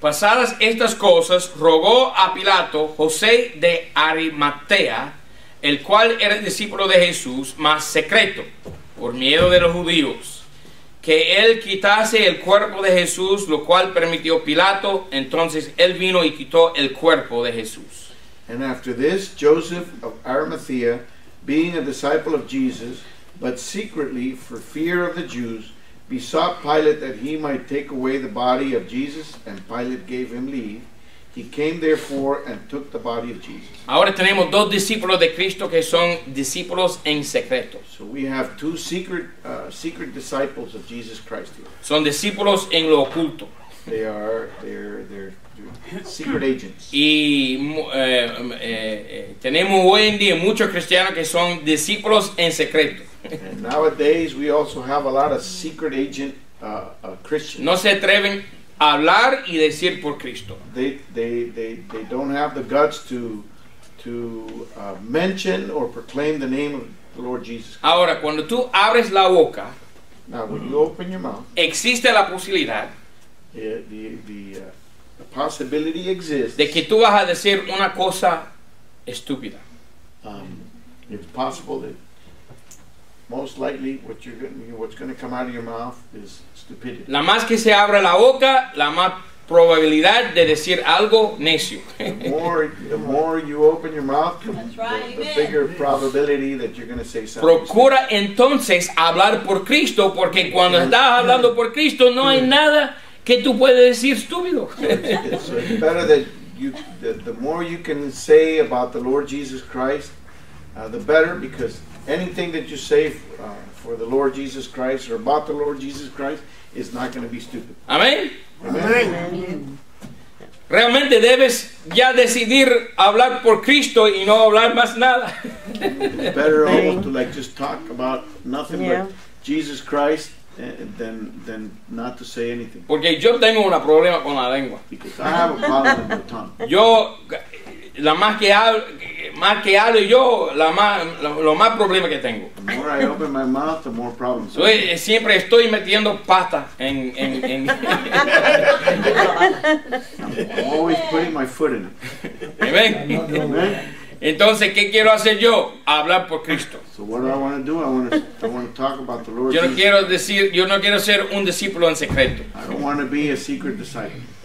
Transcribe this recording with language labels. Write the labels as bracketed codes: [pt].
[es] Pasadas estas cosas, rogó a Pilato José de Arimatea, el cual era el discípulo de Jesús, más secreto, por miedo de los judíos, que él quitase el cuerpo de Jesús, lo cual permitió Pilato. Entonces él vino y quitó el cuerpo de Jesús. [en] And after this, Joseph of Arimathea, being a disciple of Jesus, but secretly for fear of the Jews, besought Pilate that he might take away the body of Jesus, and Pilate gave him leave. He came therefore and took the body of Jesus. [es] Ahora tenemos dos discípulos de Cristo que son discípulos en secreto. [en] So we have two secret disciples of Jesus Christ here. [es] Son discípulos en lo oculto. [en] They are, they're secret agents. [es] Y tenemos hoy en día muchos cristianos que son discípulos en secreto. [en] And nowadays we also have a lot of secret agent Christians. [es] No se atreven a hablar y decir por Cristo. [en] They don't have the guts to mention or proclaim the name of the Lord Jesus [es] Christ. Ahora, cuando tú abres la boca, [en] now when you open your mouth, [es] existe la posibilidad. [en] The possibility exists. [es] De que tú vas a decir una cosa estúpida. [en] It's possible that most likely what's going to come out of your mouth is stupidity. [es] La más que se abra la boca, la más probabilidad de decir algo necio. [en] The more you open your mouth, the bigger probability that you're going to say something. [es] Procura entonces hablar por Cristo, porque cuando estás hablando por Cristo no hay nada que tú puedes decir estúpido. [en] So it's better that the more you can say about the Lord Jesus Christ, the better, because anything that you say for the Lord Jesus Christ or about the Lord Jesus Christ is not going to be stupid. Amen. Amen. Amen. [es] Realmente debes ya decidir hablar por Cristo y no hablar más nada. [en] It's better almost to like just talk about nothing but Jesus Christ than not to say anything. [es] Porque yo tengo un problema con la lengua. [en] Because I have a problem with the tongue. [es] Yo, lo más problema que tengo. [en] The more I open my mouth, the more problems. [es] Yo siempre estoy metiendo pata en. [en] I'm always putting my foot in it. [es] Amen. Entonces, ¿qué quiero hacer yo? Hablar por Cristo. [en] So what do I want to do? I want to talk about the Lord Jesus. [es] Yo no quiero ser un discípulo en secreto. [en] I don't want to be a secret disciple.